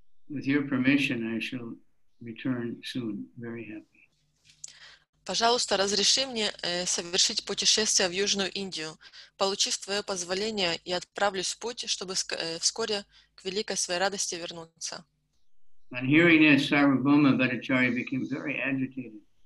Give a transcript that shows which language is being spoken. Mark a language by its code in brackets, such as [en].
[en] With your permission, I shall return soon, very happy. [ru] Пожалуйста, разреши мне совершить путешествие в Южную Индию. Получив твое позволение, я отправлюсь в путь, чтобы вскоре к великой своей радости вернуться. [en] On hearing this, Sarvabhauma Bhattacharya became very agitated.